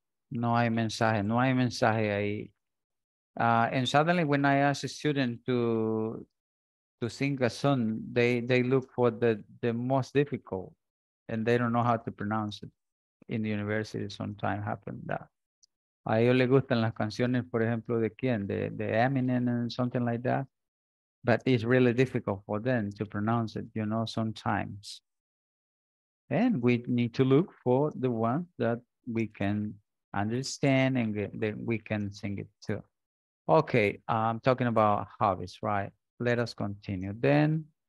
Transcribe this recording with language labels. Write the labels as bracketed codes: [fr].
[es] No hay mensaje ahí. [en] And suddenly when I ask a student to sing a song, they look for the most difficult. And they don't know how to pronounce it. In the university, sometimes happened that. [es] A ellos les gustan las canciones, por ejemplo, ¿de quién? De [en] Eminem and something like that. But it's really difficult for them to pronounce it, you know, sometimes. And we need to look for the one that we can understand and that we can sing it too. Okay, I'm talking about hobbies, right? Let us continue then.